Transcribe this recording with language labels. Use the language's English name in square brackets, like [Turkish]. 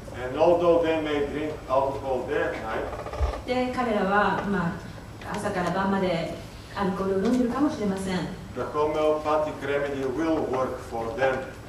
[English] And although they may drink alcohol there, right? [Japanese] で、彼らは、まあ、朝から晩までアルコールを飲んでいるかもしれません。 [English] The homeopathic remedy will work for them.